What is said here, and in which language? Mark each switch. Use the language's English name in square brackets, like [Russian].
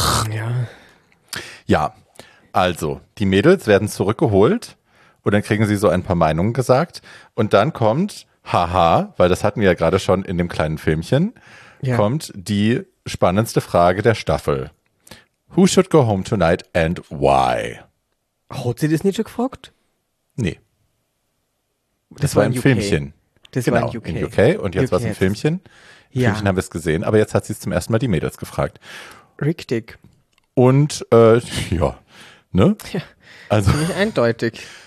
[German] Ja. Ja, also, die Mädels werden zurückgeholt. Und dann kriegen sie so ein paar Meinungen gesagt. Und dann kommt, haha, weil das hatten wir ja gerade schon in dem kleinen Filmchen, kommt die spannendste Frage der Staffel. [English] Who should go home tonight and why? [German] Hat sie das nicht schon gefragt? Nee. Das war im Filmchen. Das genau, war in UK. In UK und jetzt war es im Filmchen. Im Filmchen haben wir es gesehen, aber jetzt hat sie es zum ersten Mal die Mädels gefragt. Richtig. Und, ja, ne? Ja, also, nicht eindeutig.